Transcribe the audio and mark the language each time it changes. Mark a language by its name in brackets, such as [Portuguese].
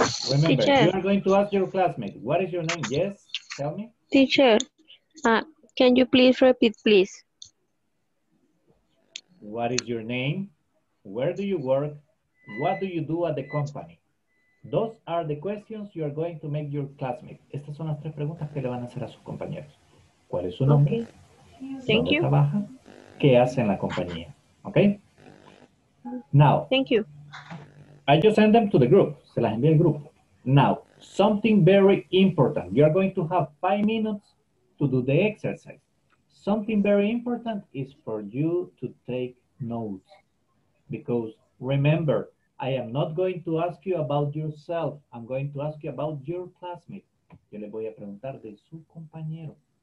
[English] Remember, teacher, you are going to ask your classmate, what is your name? Yes, tell me. Teacher, can you please repeat, please? What is your name? Where do you work? What do you do at the company? Those are the questions you are going to make your classmate. [Spanish] Estas son las tres preguntas que le van a hacer a sus compañeros. ¿Cuál es su nombre? Okay. [English] Thank you. [Spanish] ¿Trabaja? ¿Qué hace en la compañía? Okay. Now. [English] Thank you. I just send them to the group. [Spanish] Se las envía el grupo. [English] Now. Something very important. You are going to have 5 minutes to do the exercise. Something very important is for you to take notes. Because remember, I am not going to ask you about yourself. I'm going to ask you about your classmate. [Spanish] Yo le voy a preguntar de su compañero.